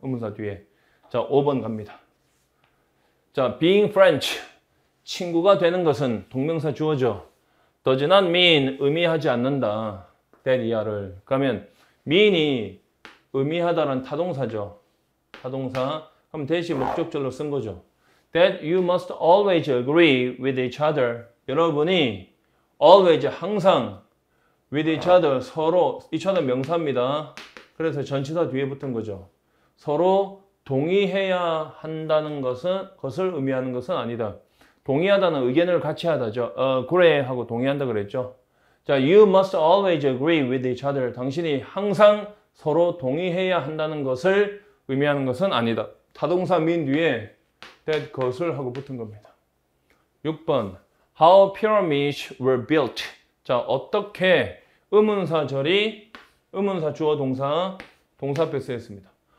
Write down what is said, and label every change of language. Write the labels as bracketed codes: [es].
[ko] 의문사 뒤에. 자, 5번 갑니다. 자, [en] being French. [ko] 친구가 되는 것은 동명사 주어죠. [en] Does not mean [ko] 의미하지 않는다. 대리아를. 그러면 mean이 의미하다라는 타동사죠. 타동사. 그럼 대시 목적절로 쓴 거죠. [en] That you must always agree with each other. [ko] 여러분이 always, 항상 with each other, 서로, each other 명사입니다. 그래서 전치사 뒤에 붙은 거죠. 서로 동의해야 한다는 것은, 것을 의미하는 것은 아니다. 동의하다는 의견을 같이 하다죠. agree 하고 동의한다 그랬죠. [en] 자, you must always agree with each other. [ko] 당신이 항상 서로 동의해야 한다는 것을 의미하는 것은 아니다. 타동사 mean 뒤에 that 것을 하고 붙은 겁니다. 6번. [en] How pyramids were built. [ko] 자, 어떻게 의문사절이 의문사 주어 동사 동사 앞에 쓰였습니다.